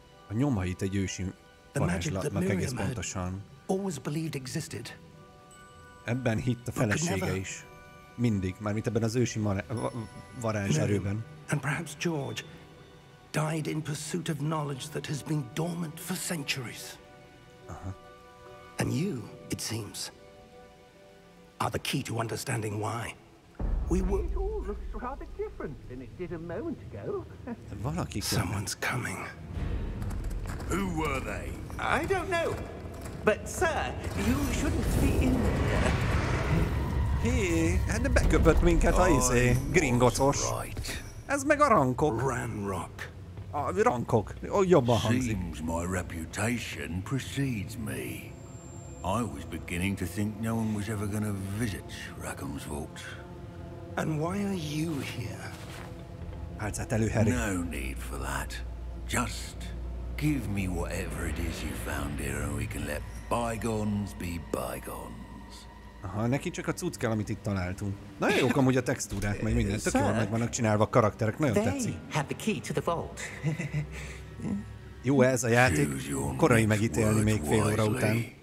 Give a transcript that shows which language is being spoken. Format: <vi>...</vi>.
<hu>A nyomait egy ősi varázslatnak, meg egész pontosan.</hu> <en>Always believed existed.</en> <hu>Ebben hitt a felesége is. Mindig, mármint ebben az ősi varázserőben.</hu> <en>And perhaps George died in pursuit of knowledge that has been dormant for centuries. And you, it seems, are the key to understanding why. We were... It all looks rather different than it did a moment ago. Someone's coming. Who were they? I don't know. But, sir, you shouldn't be in there.</en> <hu>Hé, de beköpött minket a izé, Gringotos.</hu> <en>Right.</en> <hu>Ez meg a rankok.</hu> <en>Ranrock.</en> <hu>A rankok. Jobban hangzik.</hu> <en>Seems my reputation precedes me. I was beginning to think no one was ever going to visit Rackham's vault. And why are you here?</en> <hu>Hát, hát előheri.</hu> <en>No need for that. Just give me whatever it is you found here and we can let bygones be bygones.</en> <hu>Aha, neki csak a cucc kell, amit itt találtunk. Nagyon jók amúgy a textúrák, meg minden. Tök jól meg vannak csinálva a karakterek, nagyon</hu> <en>they</en> <hu>tetszik.</hu> <en>They have the key to the vault.</en> <hu>Jó ez a játék, korai megítélni még fél óra után.</hu>